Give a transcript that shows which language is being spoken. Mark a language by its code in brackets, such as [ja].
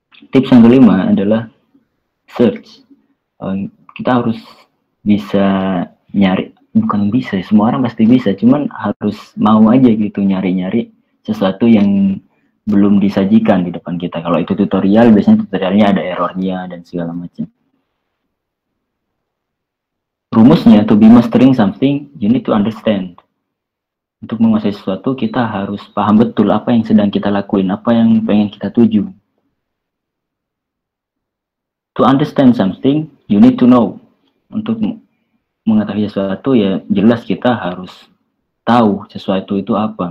[id] Tips yang kelima adalah search. Kita harus bisa nyari, bukan bisa, semua orang pasti bisa, cuman harus mau aja gitu nyari-nyari sesuatu yang belum disajikan di depan kita. Kalau itu tutorial, biasanya tutorialnya ada errornya dan segala macam. [en] Rumusnya, to be mastering something, you need to understand. [id] Untuk menguasai sesuatu, kita harus paham betul apa yang sedang kita lakuin, apa yang pengen kita tuju. [en] To understand something, you need to know. [id] Untuk mengetahui sesuatu, ya jelas kita harus tahu sesuatu itu apa.